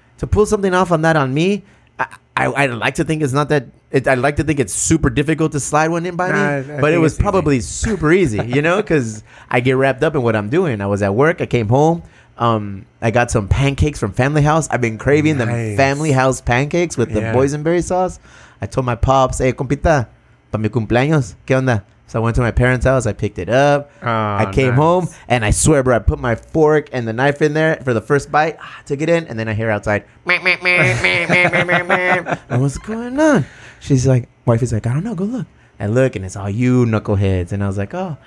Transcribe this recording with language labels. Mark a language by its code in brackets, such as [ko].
[en] To pull something off on that on me, I'd like to think it's not that – I'd like to think it's super difficult to slide one in by me. But it was probably super easy, you know, because I get wrapped up in what I'm doing. I was at work. I came home. I got some pancakes from Family House. I've been craving the Family House pancakes with the boysenberry sauce. I told my pops, hey, [es] compita, para mi cumpleaños, ¿qué onda? [en] So I went to my parents' house. I picked it up. Oh, I came home, and I swear, bro, I put my fork and the knife in there for the first bite. I took it in, and then I hear outside, and what's going on? She's like, wife is like, I don't know, go look. I look, and it's all you knuckleheads. And I was like, oh.